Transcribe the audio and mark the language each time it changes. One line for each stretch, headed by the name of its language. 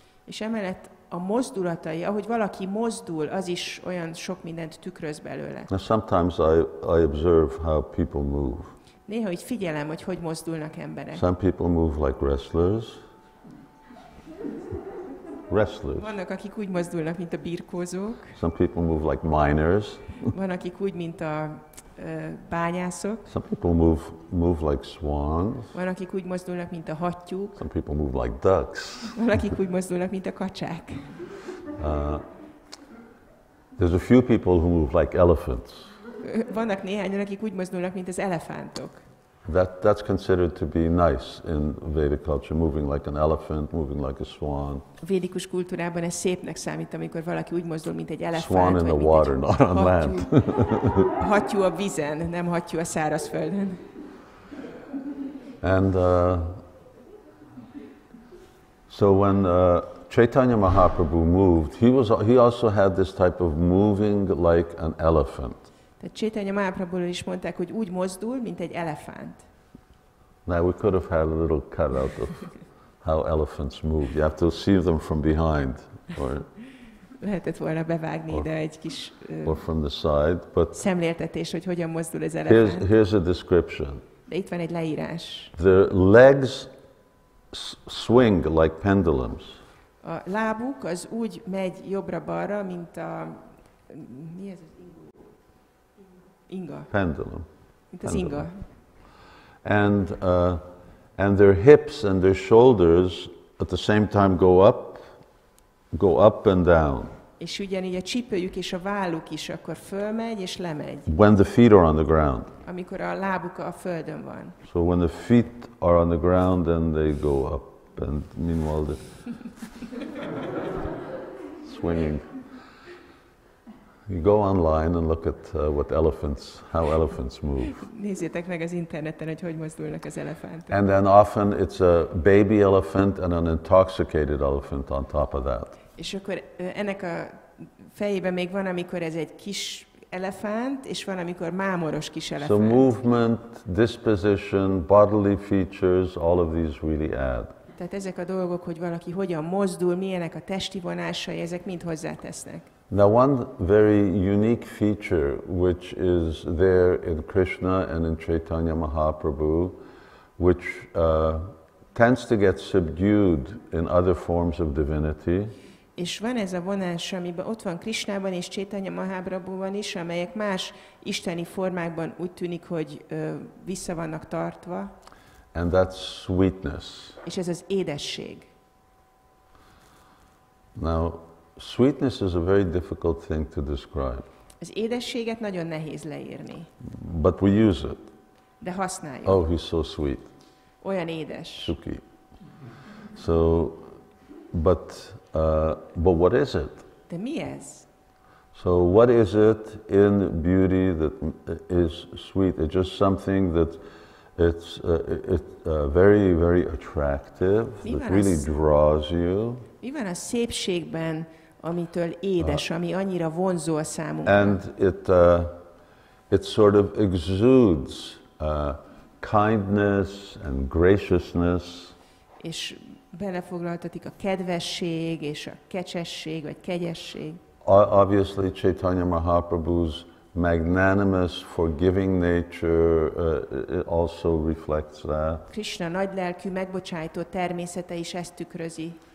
Hungarian: És emellett a mozdulatai, ahogy valaki mozdul, az is olyan sok mindent tükröz belőle.
English: Now sometimes I observe how people move.
Hungarian: Néha így figyelem, hogy hogy mozdulnak emberek.
English: Some people move like wrestlers.
Hungarian: Vannak, akik úgy mozdulnak, mint a birkózók.
English: Some people move like miners.
Hungarian: Van, akik úgy, mint a bányászok.
English: Some people move like swans.
Hungarian: Van, akik úgy mozdulnak, mint a hattyúk.
English: Some people move like ducks.
Hungarian: Van, akik úgy mozdulnak, mint a kacsák.
English: There's a few people who move like elephants.
Hungarian: Vannak néhányan, akik úgy mozdulnak, mint az elefántok.
English: That's considered to be nice in Vedic culture, moving like an elephant, moving like a swan.
Hungarian: Védikus kultúrában ez szépnek számít, amikor valaki úgy mozdul, mint egy elefánt.
English: Swan in the water, not on land.
Hungarian: Hattyú a vízen, nem hattyú a szárazföldön.
English: And so when Chaitanya Mahaprabhu moved, he also had this type of moving like an elephant.
Hungarian: Chaitanya Mahaprabhu is mondták, hogy úgy mozdul, mint egy elefánt.
English: Now we could have had a little cut out of how elephants move. You have to see them from behind, or
Hungarian: lehetett volna bevágni ide egy kis
English: or from the side, but
Hungarian: szemléltetés, hogy hogyan mozdul az elefánt.
English: Here's a description.
Hungarian: De itt van egy leírás.
English: Their legs swing like pendulums.
Hungarian: A lábuk az úgy megy jobbra-balra, mint a mi ez? Inga.
English: Pendulum. It's inga. And their hips and their shoulders at the same time go up and down.
Hungarian: És ugyanígy a csípőjük és a válluk is akkor fölmegy és lemegy.
English: When the feet are on the ground.
Hungarian: Amikor a lábuk a földön van.
English: So when the feet are on the ground, then they go up, and meanwhile the swinging. You go online and look at how elephants move.
Hungarian: Nézzétek meg az interneten, hogy hogy mozdulnak az elefántok.
English: And then often it's a baby elephant and an intoxicated elephant on top of that.
Hungarian: És akkor ennek a fejében még van, amikor ez egy kis elefánt, és van, amikor mámoros kis elefánt.
English: So movement, disposition, bodily features, all of these really add.
Hungarian: Tehát ezek a dolgok, hogy valaki hogyan mozdul, milyenek a testi vonásai, ezek mind hozzátesznek.
English: Now one very unique feature which is there in Krishna and in Chaitanya Mahaprabhu, which tends to get subdued in other forms of divinity.
Hungarian: És van ez a vonás, amiben ott van Krishnában és Chaitanya Mahaprabhuban is, amelyek más isteni formákban úgy tűnik, hogy vissza vannak tartva.
English: And that's sweetness.
Hungarian: És ez az édesség.
English: Now, sweetness is a very difficult thing to describe.
Hungarian: Az édességet nagyon nehéz leírni.
English: But we use it.
Hungarian: De használjuk.
English: Oh, he's so sweet.
Hungarian: Olyan édes.
English: Suki. So, but what is it?
Hungarian: De mi ez?
English: So what is it in beauty that is sweet? It's just something that it's very, very attractive, that really draws you.
Hungarian: Mi van a szépségben, amitől édes, ami annyira vonzó a számunkra.
English: And it sort of exudes kindness and graciousness.
Hungarian: És belefoglaltatik a kedvesség és a kecsesség vagy kegyesség.
English: Obviously Chaitanya Mahaprabhu's magnanimous, forgiving nature it also reflects that.
Hungarian: Krishna nagy lelkű, megbocsájtó természete is ezt tükrözi.